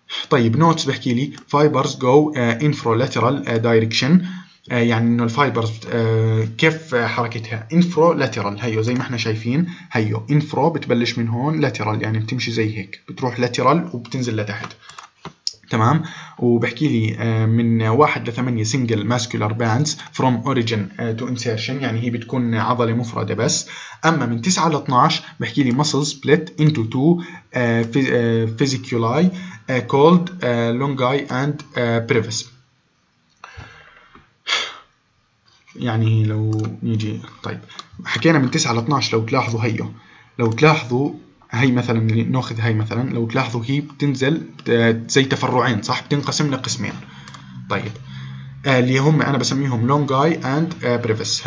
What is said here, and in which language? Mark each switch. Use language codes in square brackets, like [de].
[ar] طيب notes بحكي لي [en] fibers go infralateral direction، [ar] يعني إنه الفايبرز كيف حركتها infralateral، هيو زي ما إحنا شايفين هيو infra بتبلش من هون lateral يعني بتمشي زي هيك بتروح lateral وبتنزل لتحت تمام. وبحكي لي من 1 ل 8 [en] single muscular bands from origin to insertion، [ar] يعني هي بتكون عضله مفرده بس. اما من 9 ل 12 بحكي لي [en] muscles split into two vesiculi called longi and brevis. [ar] يعني لو نيجي طيب حكينا من 9 ل 12 لو تلاحظوا هيو، لو تلاحظوا هاي مثلا ناخذ هاي مثلا، لو تلاحظوا هي بتنزل زي تفرعين صح، بتنقسم لقسمين. طيب اللي هم انا بسميهم لونجاي اند بريفس.